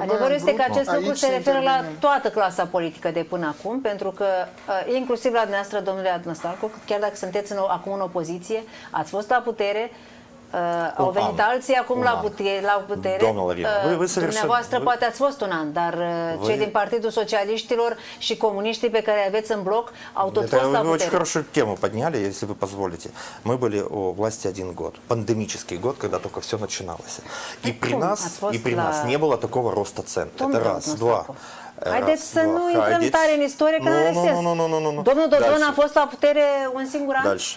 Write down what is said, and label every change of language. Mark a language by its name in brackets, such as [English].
[Romanian] adevărul este că acest lucru se referă la toată clasa politică de până acum, pentru că inclusiv la dumneavoastră, domnule Adnăstarcu, chiar dacă sunteți acum în opoziție, ați fost la putere, au venit alții acum la putere. Domnul Lavin, dumneavoastră poate ați fost un an, dar cei din Partidul Socialiștilor și comuniștii pe care aveți în bloc au tot fost la putere. [Russian] Очень хорошую тему подняли, если вы позволите. Мы были у власти один год, пандемический год, когда только все начиналось. И при нас, не было такого роста цен. Это раз. Два. [Romanian] Haideți să nu intrăm tare în istorie, că n-are sens. Domnul Dodon a fost la putere un singur an?